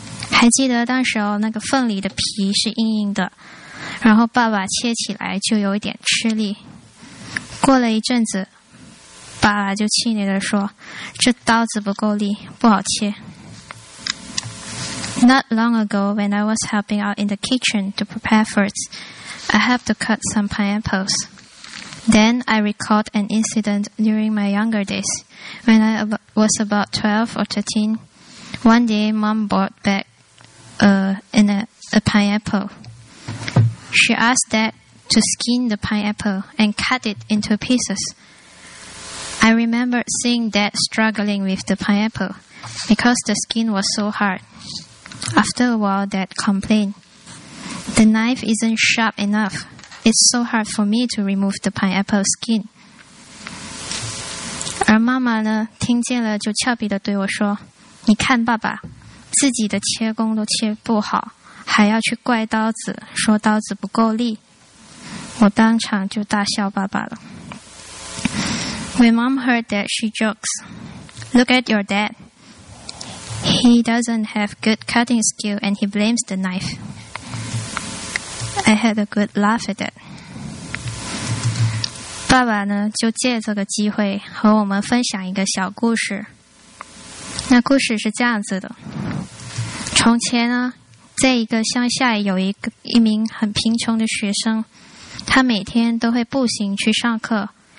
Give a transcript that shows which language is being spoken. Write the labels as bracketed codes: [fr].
[zh] 还记得当时候那个凤梨的皮是硬硬的，然后爸爸切起来就有一点吃力。过了一阵子，爸爸就气馁地说：“这刀子不够力，不好切。” [en] Not long ago, when I was helping out in the kitchen to prepare fruits, I helped to cut some pineapples. Then I recalled an incident during my younger days. When I was about 12 or 13, one day mom brought back a pineapple. She asked dad to skin the pineapple and cut it into pieces. I remember seeing dad struggling with the pineapple because the skin was so hard. After a while, dad complained, "The knife isn't sharp enough. It's so hard for me to remove the pineapple skin." [zh] 而妈妈呢，听见了就俏皮地对我说：“你看爸爸，自己的切工都切不好，还要去怪刀子，说刀子不够力。” 我当场就大笑爸爸了。 [en] When mom heard that, she jokes, "Look at your dad. He doesn't have good cutting skill and he blames the knife." I had a good laugh at that. [zh] 爸爸呢，就借这个机会和我们分享一个小故事。那故事是这样子的：从前呢，在一个乡下有一名很贫穷的学生，他每天都会步行去上课。